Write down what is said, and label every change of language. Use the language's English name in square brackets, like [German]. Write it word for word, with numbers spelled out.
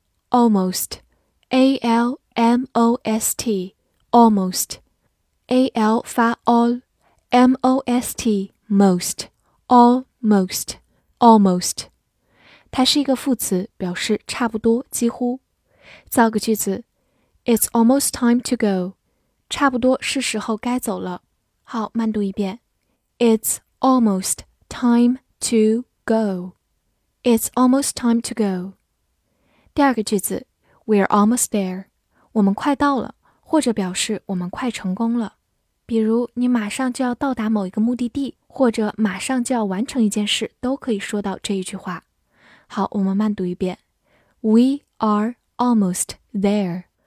[English] Almost, A L M O S T, almost. A L 发 all, M O S T, most, almost, almost. [Chinese] 它是一个副词，表示差不多，几乎。造个句子 [English] It's almost time to go. [Chinese] 差不多是时候该走了。好，慢读一遍。 [English] It's almost time to go. It's almost time to go. [Chinese] 第二个句子 [English] We're almost there. [Chinese] 我们快到了，或者表示我们快成功了。比如你马上就要到达某一个目的地，或者马上就要完成一件事，都可以说到这一句话。好，我们慢读一遍。 [English] We are almost there.